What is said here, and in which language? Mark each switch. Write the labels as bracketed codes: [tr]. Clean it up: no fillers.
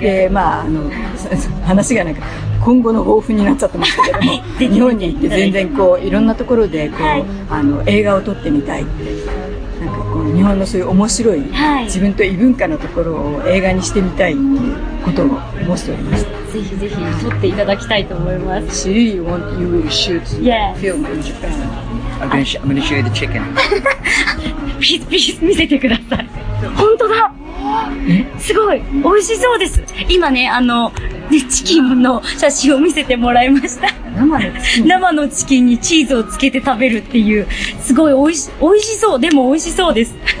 [ja] で、まあ、あの話がなんか今後の抱負になっちゃってましたけども、日本に行って全然こういろんなところでこうあの映画を撮ってみたいって、なんかこう日本のそういう面白い自分と異文化のところを映画にしてみたいっていうことを申しておりました。ぜひぜひ撮っていただきたいと思います。 [en] So you want you will shoot film in Japan? I'm going to show you the chicken. [ja] ピースピース見せてください。本当だ、すごい美味しそうです。今ね、あのチキンの写真を見せてもらいました。生のチキンにチーズをつけて食べるっていう、すごい美味しそう。でも美味しそうです。